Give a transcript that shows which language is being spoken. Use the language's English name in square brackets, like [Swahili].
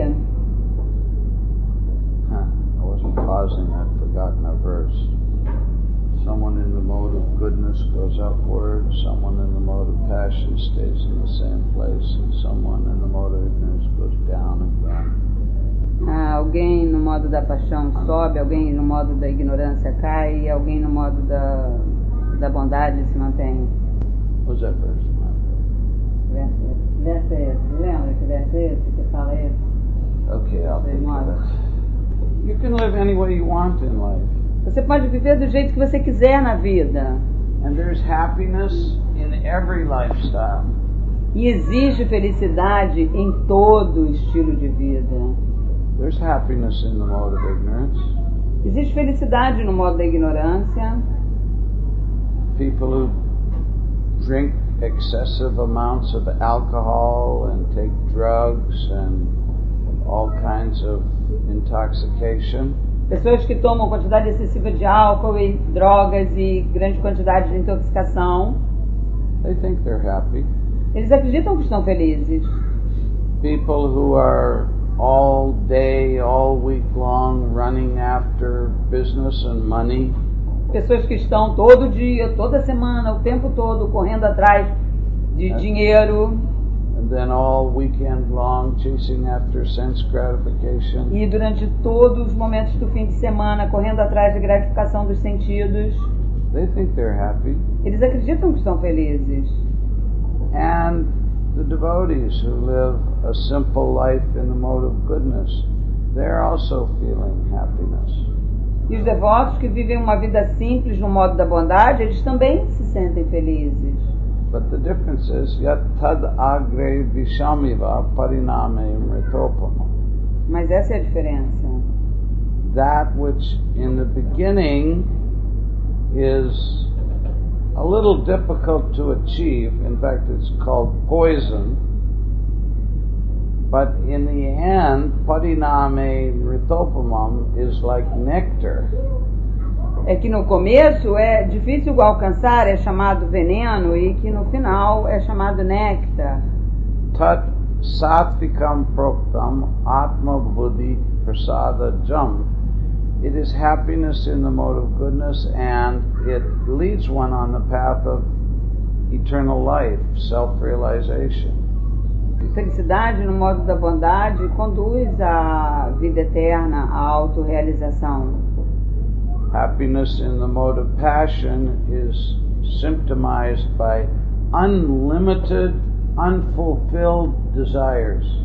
[English] I wasn't pausing, I'd forgotten a verse. Someone in the mode of goodness goes upward, someone in the mode of passion stays in the same place, and someone in the mode of ignorance goes down again. [Portuguese] Alguém no modo da paixão sobe, alguém no modo da ignorância cai, e alguém no modo da bondade se mantém. [English] What's that verse? Okay, you can live any way you want in life. [Portuguese] Você pode viver do jeito que você quiser na vida. [English] And there's happiness in every lifestyle. [Portuguese] E existe felicidade em todo estilo de vida. [English] There's happiness in the mode of ignorance. [Portuguese] Existe felicidade no modo da ignorância. [English] People who drink excessive amounts of alcohol and take drugs and all kinds of intoxication. [Portuguese] Pessoas que tomam quantidade excessiva de álcool e drogas e grande quantidade de intoxicação. [English] They think they're happy. [Portuguese] Eles acreditam que estão felizes. [English] people who are all day, all week long running after business and money. [Portuguese] Pessoas que estão todo dia, toda semana, o tempo todo correndo atrás de dinheiro. [English] And then all weekend long chasing after sense gratification. [Portuguese] E durante todos os momentos do fim de semana correndo atrás de gratificação dos sentidos. [English] They think they're happy. [Portuguese] Eles acreditam que são felizes. [English] And the devotees who live a simple life in the mode of goodness, they're also feeling happiness. [Portuguese] E os devotos que vivem uma vida simples no modo da bondade, eles também se sentem felizes. [English] But the difference is, [Sanskrit] yat tad agre vishamiva pariname mritopam. [Portuguese] Mas essa é a diferença. [English] That which in the beginning is a little difficult to achieve, in fact it's called poison, but in the end, [Sanskrit] pariname mritopamam [English] is like nectar. [Portuguese] É que no começo é difícil alcançar, é chamado veneno, e que no final é chamado néctar. [Sanskrit] Tat sattvikam proktam atma buddhi prasada jam. [English] It is happiness in the mode of goodness, and it leads one on the path of eternal life, self-realization. [Portuguese] Felicidade no modo da bondade conduz à vida eterna, à auto-realização. [English] Happiness in the mode of passion is symptomized by unlimited, unfulfilled desires.